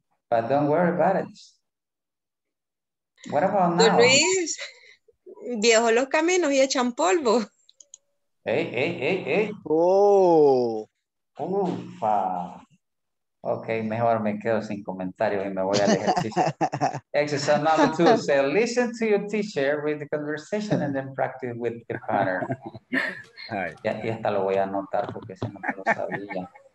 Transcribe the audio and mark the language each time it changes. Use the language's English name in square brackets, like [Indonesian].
[English] But don't worry about it. What about now? [Spanish] Luis, viejo los caminos y echan polvo. [English] Hey. Oh. Ufa. [Spanish] Ok, mejor me quedo sin comentarios y me voy al ejercicio. [English] Exercise number two, say, listen to your teacher, read the conversation, and then practice with the partner. [Spanish] Ya, y hasta lo voy a anotar porque ese no me lo sabía.